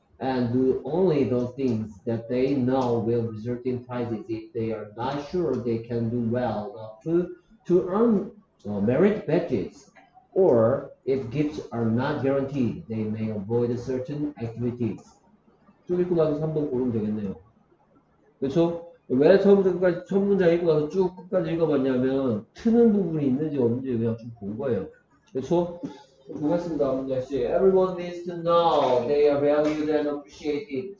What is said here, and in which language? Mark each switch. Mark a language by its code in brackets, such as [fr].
[en] and do only those things that they know will result in prizes if they are not sure they can do well enough to earn merit badges. Or if gifts are not guaranteed, they may avoid certain activities. [ko] 쭉 읽고 나서 3번 고르면 되겠네요. 그쵸? 왜 처음부터 끝까지, 첫 문장 읽고 나서 쭉 끝까지 읽어봤냐면, 트는 부분이 있는지 없는지 그냥 좀 본 거예요. 그쵸? 보겠습니다, 문자 씨. [en] Everyone needs to know they are valued and appreciated.